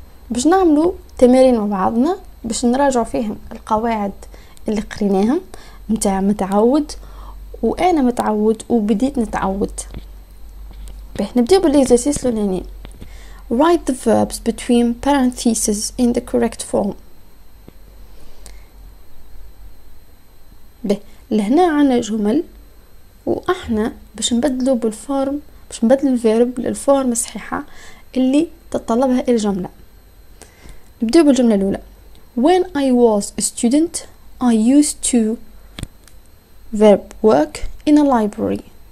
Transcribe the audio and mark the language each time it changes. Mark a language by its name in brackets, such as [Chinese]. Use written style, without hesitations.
[Arabic] باش نعملو تمارين مع بعضنا باش نراجعو فيهم القواعد اللي قريناهم نتاع متعود وانا متعود وبديت نتعود. باه نبداو بالاكزرسيس الاولاني. [English] Write the verbs between parentheses in the correct form. [Arabic] باه لهنا عنا جمل واحنا باش نبدلو بالفورم, باش نبدل الفيرب للفورم الصحيحة اللي تتطلبها الجملة. نبدأ بالجملة الأولى. [English] When I was a student, I used to verb work in a library.